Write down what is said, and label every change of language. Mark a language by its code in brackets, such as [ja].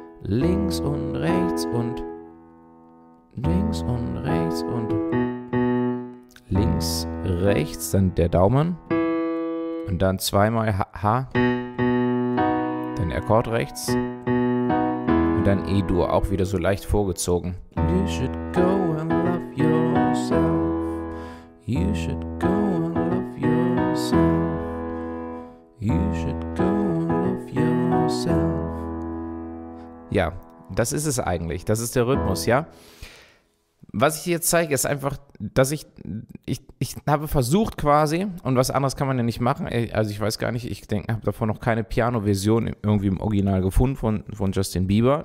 [de] Links und rechts und links und rechts und links, rechts, dann der Daumen und dann zweimal H, dann Akkord rechts und dann E-Dur, auch wieder so leicht vorgezogen. [en] You should go and love yourself. You should go and love yourself. You should go and love yourself. [de] Ja. Das ist es eigentlich, das ist der Rhythmus, ja. Was ich jetzt zeige, ist einfach, dass ich habe versucht quasi, und was anderes kann man ja nicht machen, also ich weiß gar nicht, ich denke, habe davon noch keine Piano-Version irgendwie im Original gefunden von Justin Bieber.